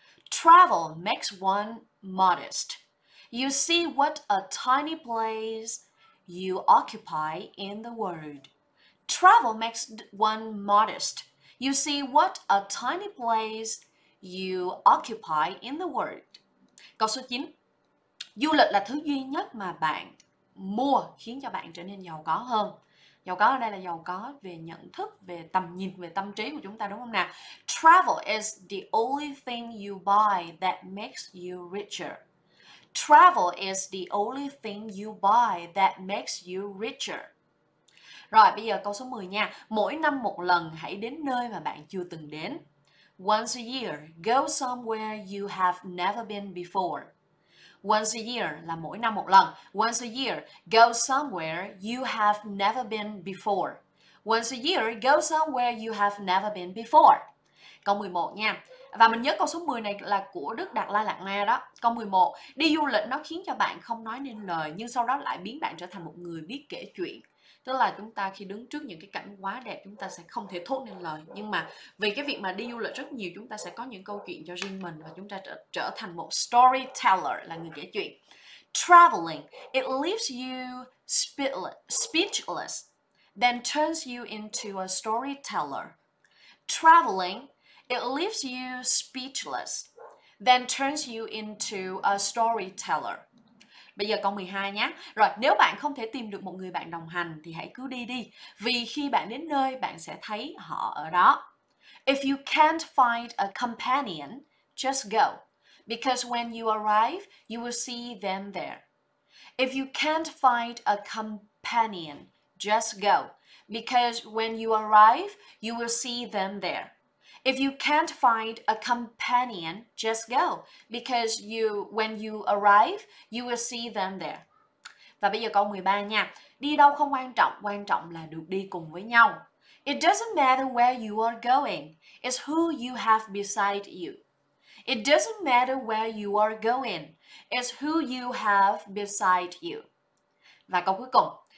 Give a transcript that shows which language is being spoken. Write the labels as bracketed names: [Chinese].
[English] Travel makes one modest. You see what a tiny place you occupy in the world. Travel makes one modest. You see what a tiny place you occupy in the world. [Vietnamese] Câu số 9. Du lịch là thứ duy nhất mà bạn mua khiến cho bạn trở nên giàu có hơn. Giàu có ở đây là giàu có về nhận thức, về tầm nhìn, về tâm trí của chúng ta, đúng không nào? [English] Travel is the only thing you buy that makes you richer. Travel is the only thing you buy that makes you richer. [Vietnamese] Rồi, bây giờ câu số 10 nha. Mỗi năm một lần hãy đến nơi mà bạn chưa từng đến. [English] Once a year, go somewhere you have never been before. Once a year [Vietnamese] là mỗi năm một lần. [English] Once a year, go somewhere you have never been before. Once a year, go somewhere you have never been before. [Vietnamese] Câu 11 nha. Và mình nhớ câu số 10 này là của Đức Đạt Lai Lạt Ma đó. Câu 11. Đi du lịch nó khiến cho bạn không nói nên lời, nhưng sau đó lại biến bạn trở thành một người biết kể chuyện. Tức là chúng ta khi đứng trước những cái cảnh quá đẹp, chúng ta sẽ không thể thốt nên lời. Nhưng mà vì cái việc mà đi du lịch rất nhiều, chúng ta sẽ có những câu chuyện cho riêng mình và chúng ta trở thành một storyteller, là người kể chuyện. [English] Traveling, it leaves you speechless, then turns you into a storyteller. Traveling, it leaves you speechless, then turns you into a storyteller. [Vietnamese] Bây giờ câu 12 nhé. Rồi, nếu bạn không thể tìm được một người bạn đồng hành thì hãy cứ đi đi. Vì khi bạn đến nơi, bạn sẽ thấy họ ở đó. [English] If you can't find a companion, just go. Because when you arrive, you will see them there. If you can't find a companion, just go. Because when you arrive, you will see them there. If you can't find a companion, just go. Because you, when you arrive, you will see them there. [Vietnamese] Và bây giờ câu 13 nha. Đi đâu không quan trọng, quan trọng là được đi cùng với nhau. [English] It doesn't matter where you are going. It's who you have beside you. It doesn't matter where you are going. It's who you have beside you. [Vietnamese] Và câu cuối cùng.